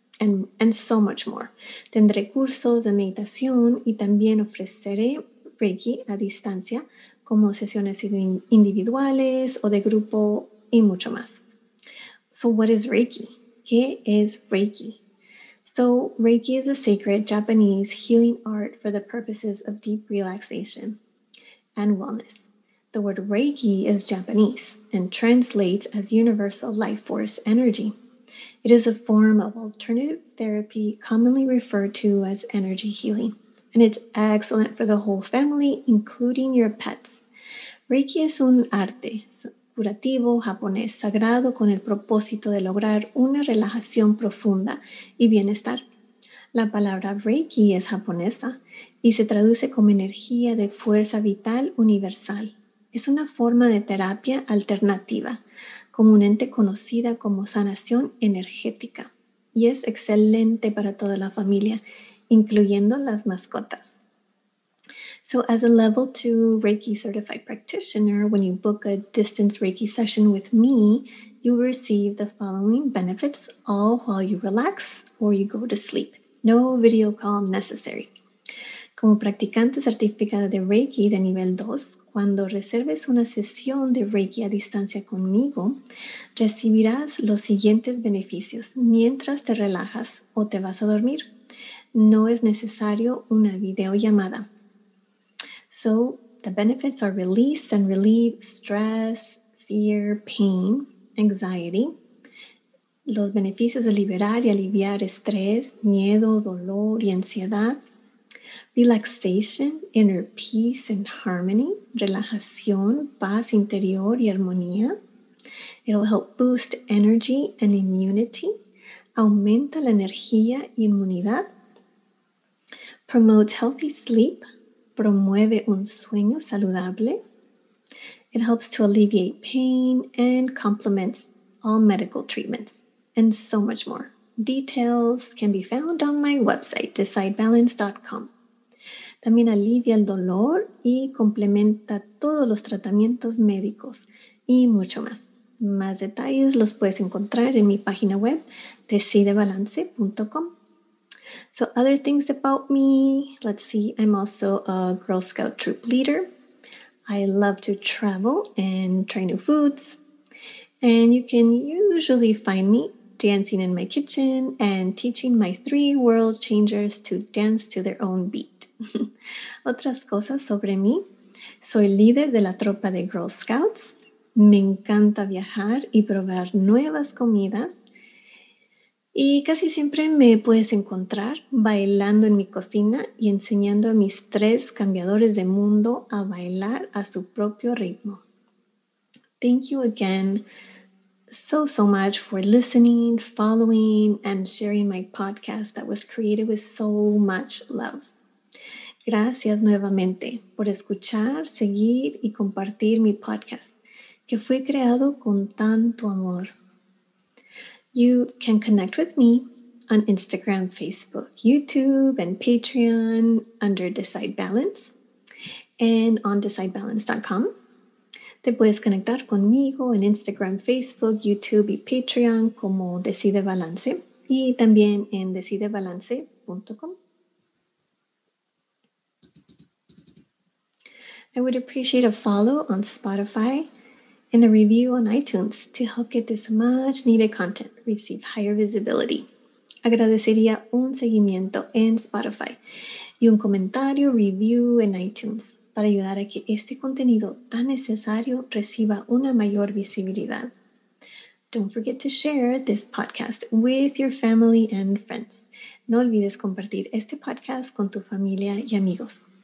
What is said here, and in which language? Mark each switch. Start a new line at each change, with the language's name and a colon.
English: And so much more.
Spanish: Tendré cursos de meditación y también ofreceré Reiki a distancia como sesiones individuales o de grupo y mucho más.
English: So what is Reiki?
Spanish: ¿Qué es Reiki?
English: So Reiki is a sacred Japanese healing art for the purposes of deep relaxation and wellness. The word Reiki is Japanese and translates as universal life force energy. It is a form of alternative therapy commonly referred to as energy healing, and it's excellent for the whole family, including your pets.
Spanish: Reiki es un arte curativo japonés sagrado con el propósito de lograr una relajación profunda y bienestar. La palabra Reiki es japonesa y se traduce como energía de fuerza vital universal. Es una forma de terapia alternativa, comúnmente conocida como sanación energética, y es excelente para toda la familia, incluyendo las mascotas.
English: So as a level 2 Reiki certified practitioner, when you book a distance Reiki session with me, you receive the following benefits all while you relax or you go to sleep. No video call necessary.
Spanish: Como practicante certificada de Reiki de nivel 2, cuando reserves una sesión de Reiki a distancia conmigo, recibirás los siguientes beneficios mientras te relajas o te vas a dormir. No es necesario una videollamada.
English: So, the benefits are release and relieve stress, fear, pain, anxiety.
Spanish: Los beneficios de liberar y aliviar estrés, miedo, dolor y ansiedad.
English: Relaxation, inner peace and harmony,
Spanish: relajación, paz interior y armonía.
English: It'll help boost energy and immunity,
Spanish: aumenta la energía y inmunidad.
English: Promotes healthy sleep,
Spanish: promueve un sueño saludable.
English: It helps to alleviate pain and complements all medical treatments and so much more. Details can be found on my website, decidebalance.com.
Spanish: También alivia el dolor y complementa todos los tratamientos médicos y mucho más. Más detalles los puedes encontrar en mi página web, decidebalance.com.
English: So other things about me, let's see, I'm also a Girl Scout troop leader. I love to travel and try new foods. And you can usually find me dancing in my kitchen and teaching my 3 world changers to dance to their own beat.
Spanish: Otras cosas sobre mí. Soy líder de la tropa de Girl Scouts. Me encanta viajar y probar nuevas comidas. Y casi siempre me puedes encontrar bailando en mi cocina y enseñando a mis 3 cambiadores de mundo a bailar a su propio ritmo.
English: Thank you again so much for listening, following, and sharing my podcast that was created with so much love.
Spanish: Gracias nuevamente por escuchar, seguir y compartir mi podcast, que fue creado con tanto amor.
English: You can connect with me on Instagram, Facebook, YouTube, and Patreon under Decide Balance and on decidebalance.com.
Spanish: Te puedes conectar conmigo en Instagram, Facebook, YouTube y Patreon como Decide Balance y también en decidebalance.com.
English: I would appreciate a follow on Spotify and a review on iTunes to help get this much needed content receive higher visibility.
Spanish: Agradecería un seguimiento en Spotify y un comentario review en iTunes para ayudar a que este contenido tan necesario reciba una mayor visibilidad.
English: Don't forget to share this podcast with your family and friends.
Spanish: No olvides compartir este podcast con tu familia y amigos.